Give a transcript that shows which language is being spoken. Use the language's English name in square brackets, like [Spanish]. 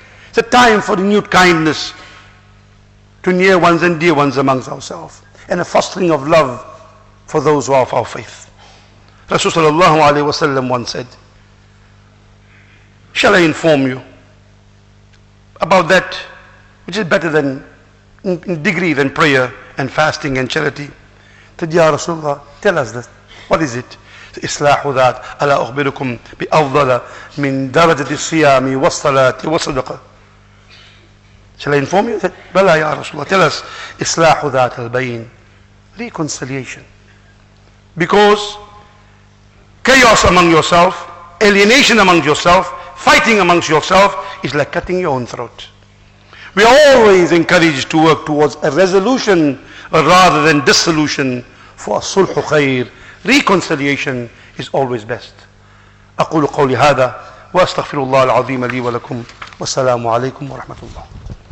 [English] It's a time for renewed kindness to near ones and dear ones amongst ourselves, and a fostering of love for those who are of our faith. Rasul sallallahu alayhi wa sallam once said, "Shall I inform you about that which is better than in degree than prayer and fasting and charity?" Said, "Ya Rasulullah, tell us this. What is it?" [Arabic] إصلاح ذات ألا أخبركم بأفضل من درجة الصيام والصلاة والصدقة. [English] Shall I inform you? [Arabic] بلى يا رسول الله. [English] Tell us. [Arabic] إصلاح ذات البين. [English] Reconciliation. Because chaos among yourself, alienation among yourself, fighting amongst yourself is like cutting your own throat. We are always encouraged to work towards a resolution rather than dissolution, for [Arabic] صلح خير. [English] Reconciliation is always best. [Arabic] أقول قولي هذا وأستغفر الله العظيم لي ولكم والسلام عليكم ورحمة الله.